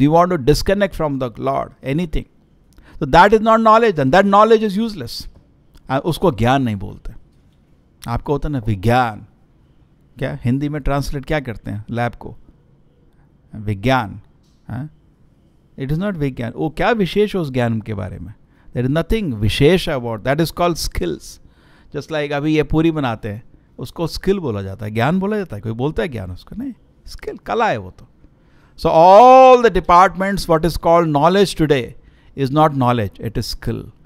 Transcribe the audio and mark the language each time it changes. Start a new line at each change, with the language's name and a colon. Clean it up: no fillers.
English: We want to disconnect from the lord anything, so that is not knowledge, and that knowledge is useless.
Hindi: उसको ज्ञान नहीं बोलते। आपको होता ना विज्ञान, क्या हिंदी में ट्रांसलेट क्या करते हैं लैब को, विज्ञान।
English: it is not
Hindi: विज्ञान। वो क्या विशेष है उस ज्ञान के बारे में?
English: There is nothing vishesh about that, is called skills. Just like
Hindi: अभी ये पूरी बनाते हैं, उसको skill बोला जाता है, ज्ञान बोला जाता है, कोई बोलता है ज्ञान उसको नहीं, skill, कला है वो तो।
English: So all the departments, what is called knowledge today, is not knowledge, it is skill.